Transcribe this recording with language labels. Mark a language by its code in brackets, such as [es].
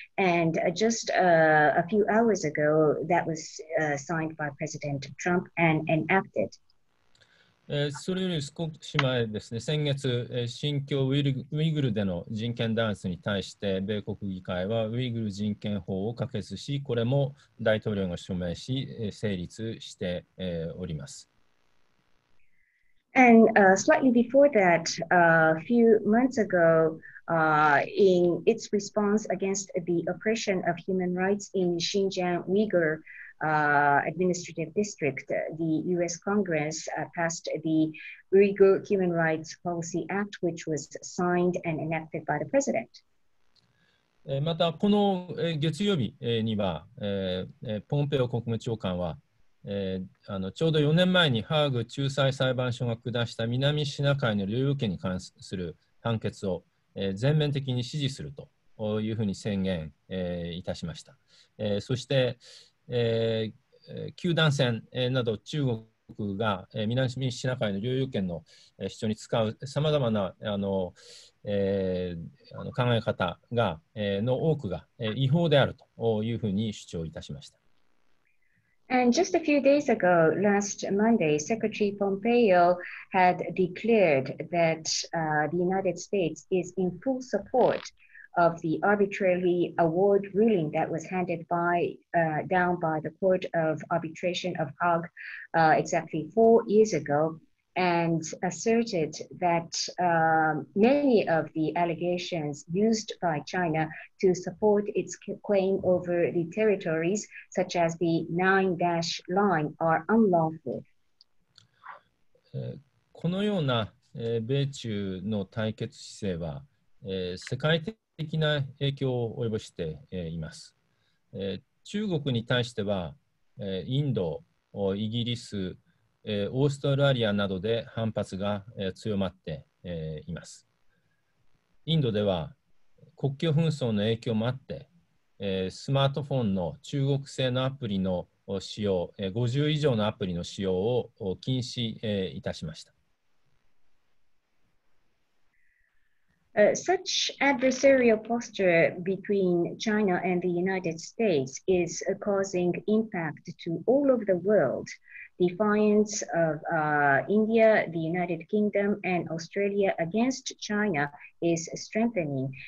[en] And just a few hours ago, that was signed by President Trump and enacted. [ja] それより少し前ですね、先月、新疆ウイグルでの人権弾圧に対して米国議会はウイグル人権法を可決し、これも大統領が署名し、成立しております。 [en] And slightly before that, a few months ago, in its response against the oppression of human rights in Xinjiang Uyghur administrative district, the U.S. Congress passed the Uyghur Human Rights Policy Act, which was signed and enacted by the president. [ja] またこの月曜日にはポンペオ国務長官はちょうど4年前にハーグ仲裁裁判所が下した南シナ海の領有権に関する判決を全面的に支持するというふうに宣言いたしました。そして九段線など中国が南シナ海の領有権の主張に使うさまざまな考え方がの多くが違法であるというふうに主張いたしました。 [en] And just a few days ago, last Monday, Secretary Pompeo had declared that the United States is in full support of the arbitrary award ruling that was handed down by the Court of Arbitration of Hague exactly 4 years ago, and asserted that many of the allegations used by China to support its claim over the territories, such as the nine-dash line, are unlawful. [ja] このような米中の対決姿勢は世界的な影響を及ぼしています。中国に対してはインド、イギリス、オーストラリアなどで反発が強まっています。インドでは国境紛争の影響もあって、スマートフォンの中国製のアプリの使用、50以上のアプリの使用を禁止いたしました。 [en] Such adversarial posture between China and the United States is causing impact to all over the world. Defiance of India, the United Kingdom, and Australia against China is strengthening.